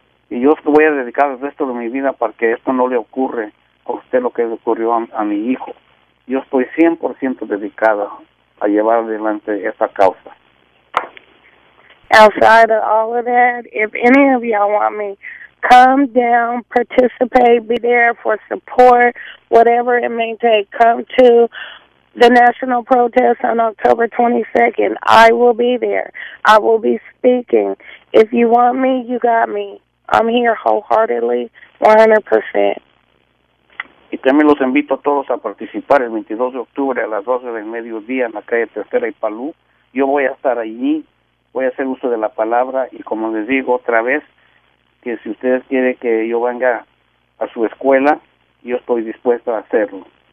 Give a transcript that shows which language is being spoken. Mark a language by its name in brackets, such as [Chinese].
[Spanish] Y yo voy a dedicar el resto de mi vida para que esto no le ocurra a usted lo que le ocurrió a mi hijo. Yo estoy 100% dedicada a llevar adelante esa causa. [English] Outside of all of that, if any of y'all want me, come down, participate, be there for support, whatever it may take. Come to the national protest on October 22nd. I will be there. I will be speaking. If you want me, you got me. I'm here wholeheartedly, 100%. [Spanish] Y también los invito a todos a participar el 22 de octubre a las 12 del mediodía en la calle Tercera y Palú. Yo voy a estar allí, voy a hacer uso de la palabra y como les digo otra vez, que si ustedes quieren que yo venga a su escuela, yo estoy dispuesto a hacerlo.